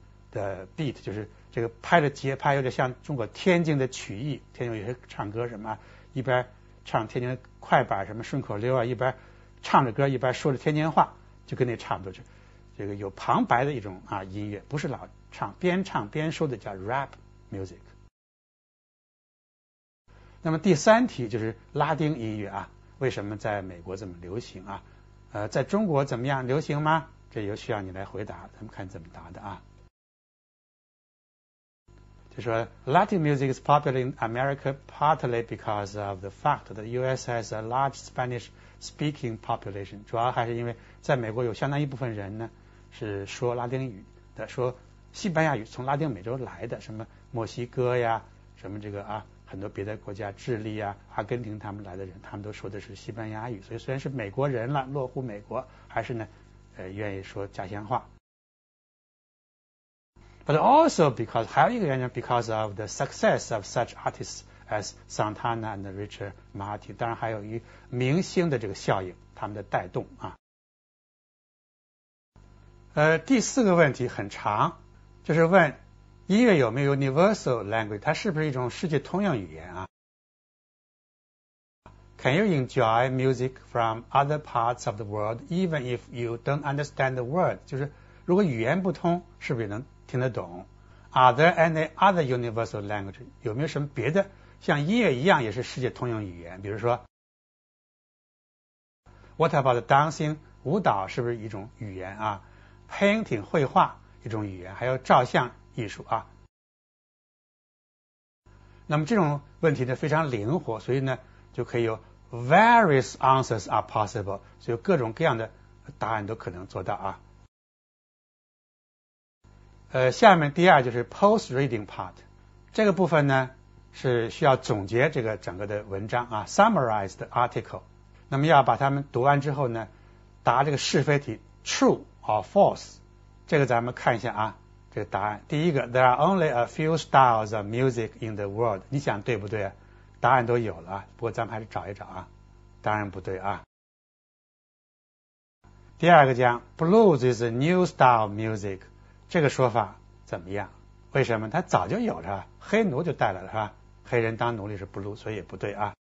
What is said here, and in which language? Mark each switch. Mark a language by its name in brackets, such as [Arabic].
[Chinese] the beat， 就是这个拍的节拍有点像中国天津的曲艺，天津有些唱歌什么，一边唱天津的快板什么顺口溜啊，一边唱着歌，一边说着天津话，就跟那差不多，就这个有旁白的一种啊音乐，不是老唱边唱边说的叫 rap music。那么第三题就是拉丁音乐啊。为什么在美国这么流行啊？在中国怎么样流行吗？这又需要你来回答，咱们看怎么答的啊。 [English] 就说 Latin music is popular in America partly because of the fact that the U.S. [Chinese] has a large Spanish-speaking population，主要还是因为在美国有相当一部分人呢是说拉丁语的，说西班牙语，从拉丁美洲来的，什么墨西哥呀，什么这个啊。很多别的国家，智利啊、阿根廷他们来的人，他们都说的是西班牙语，所以虽然是美国人了，落户美国，还是呢，愿意说家乡话。 But also because, 还有一个原因, because of the success of such artists as Santana and Richard Martin, 当然还有于明星的这个效应，他们的带动啊。第四个问题很长，就是问音乐有没有 universal language, 它是不是一种世界通用语言啊？ [English] Can you enjoy music from other parts of the world even if you don't understand the word? [Chinese] 就是如果语言不通，是不是能听得懂？ [English] Are there any other universal language? [Chinese] 有没有什么别的像音乐一样也是世界通用语言？比如说 What about dancing? 舞蹈是不是一种语言啊？ Painting 绘画一种语言，还有照相艺术啊。那么这种问题呢非常灵活，所以呢就可以有 various answers are possible, 所以各种各样的答案都可能做到啊。下面第二就是 post reading part, 这个部分呢是需要总结这个整个的文章啊， summarized article, 那么要把它们读完之后呢答这个是非题 true,or false, 这个咱们看一下啊，这个答案。第一个 , there are only a few styles of music in the world, 你想对不对？答案都有了啊，不过咱们还是找一找啊，当然不对啊。第二个讲 , blues is a new style of music, 这个说法怎么样？为什么？它早就有了，黑奴就带来了是吧？黑人当奴隶是 blue, 所以也不对啊。